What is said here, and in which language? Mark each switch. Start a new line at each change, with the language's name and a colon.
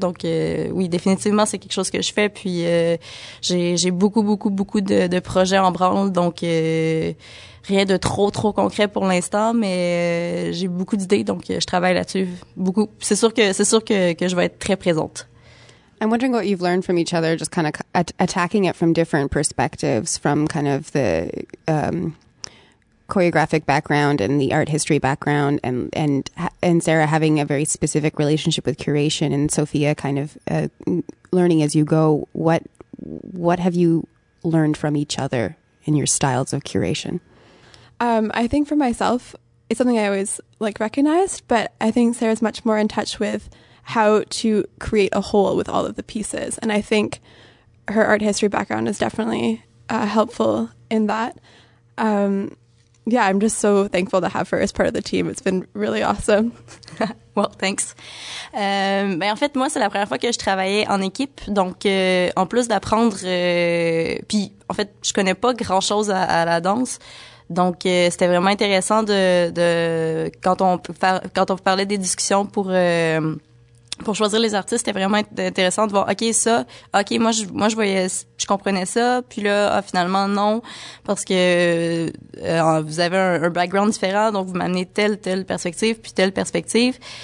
French: Donc oui, définitivement, c'est quelque chose que je fais. Puis j'ai beaucoup, beaucoup, beaucoup de projets en branle, donc rien de trop, trop concret pour l'instant, mais j'ai beaucoup d'idées, donc je travaille là-dessus beaucoup. C'est sûr que je vais être très présente.
English: I'm wondering what you've learned from each other, just kind of attacking it from different perspectives, from kind of the choreographic background and the art history background, and Sarah having a very specific relationship with curation, and Sophia kind of learning as you go. What have you learned from each other in your styles of curation? I think for myself, it's something I always like recognized, but I think Sarah's much more in touch with how to create a whole with all of the pieces. And I think her art history background is definitely helpful in that. Yeah, I'm just so thankful to have her as part of the team. It's been really awesome. Well, thanks.
French: Ben en fait, moi, c'est la première fois que je travaillais en équipe. Donc, en plus d'apprendre... puis, en fait, je connais pas grand-chose à la danse. Donc c'était vraiment intéressant quand on parlait des discussions pour choisir les artistes, c'était vraiment intéressant de voir je comprenais ça, puis là finalement non, parce que vous avez un background différent, donc vous m'amenez telle perspective puis telle perspective.